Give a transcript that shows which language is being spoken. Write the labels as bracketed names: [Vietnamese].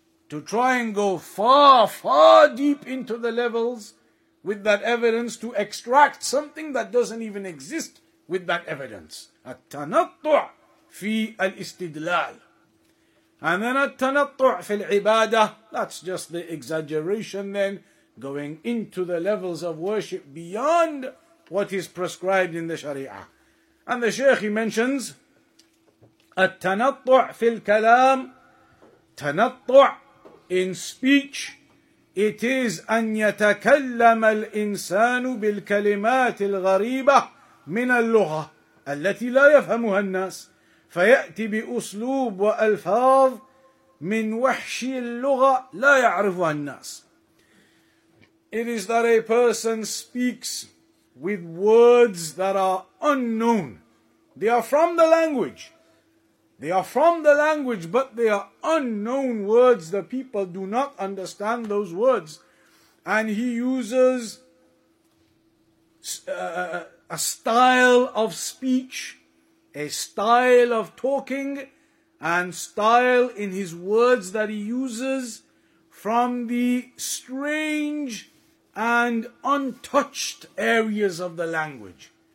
[English] To try and go far, far deep into the levels with that evidence to extract something that doesn't even exist with that evidence. [Arabic] At-tanattu' fi al-istidlal. [English] And then [Arabic] التنطع في العبادة, [English] that's just the exaggeration then, going into the levels of worship beyond what is prescribed in the Sharia. And the Shaykh, he mentions, [Arabic] التنطع في الكلام, تنطع [English] in speech, it is [Arabic] أن يتكلم الإنسان بالكلمات الغريبة من اللغة التي لا يفهمها الناس. فيأتي بأسلوب وألفاظ من وحشي اللغة لا يعرفها الناس. [English] It is that a person speaks with words that are unknown. They are from the language. They are from the language, but they are unknown words. The people do not understand those words. And he uses a style of speech, a style of talking, and style in his words that he uses from the strange and untouched areas of the language.